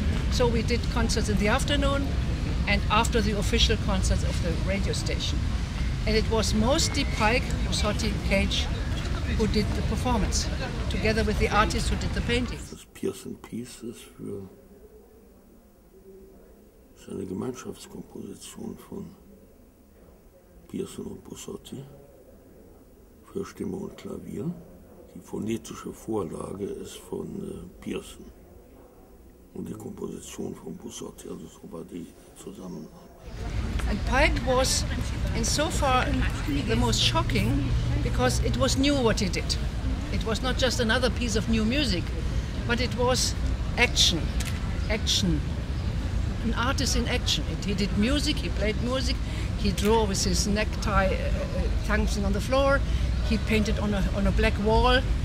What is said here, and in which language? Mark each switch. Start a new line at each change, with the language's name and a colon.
English: So we did concerts in the afternoon and after the official concerts of the radio station. And it was mostly Pike, Rossotti, Cage who did the performance, together with the artist who did the painting.
German: Das Pearson Piece ist für seine Gemeinschaftskomposition von Pearson und Rossotti für Stimme und Klavier. Die phonetische Vorlage ist von Pearson und die Komposition von Busotti, also so war die Zusammenarbeit.
English: And Pike was in so far the most shocking, because it was new what he did. It was not just another piece of new music, but it was action, an artist in action. He did music, he played music, he drew with his necktie dancing on the floor, he painted on a black wall.